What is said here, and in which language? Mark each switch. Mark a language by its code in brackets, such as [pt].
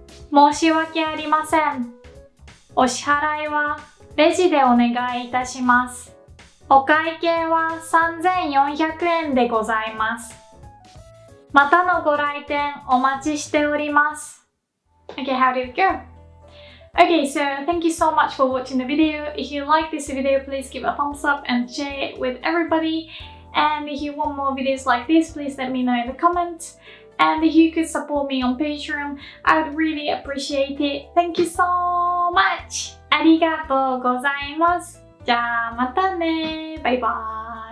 [ja] 申し訳ありません。お支払いはレジでお願いいたします。お会計は3400円でございます。またのご来店お待ちしております。 [en] Okay, how did it go? Okay, so thank you so much for watching the video. If you like this video, please give a thumbs up and share it with everybody. And if you want more videos like this, please let me know in the comments. And if you could support me on Patreon, I would really appreciate it. Thank you so much! [ja] ありがとうございます。じゃあまたね。バイバーイ。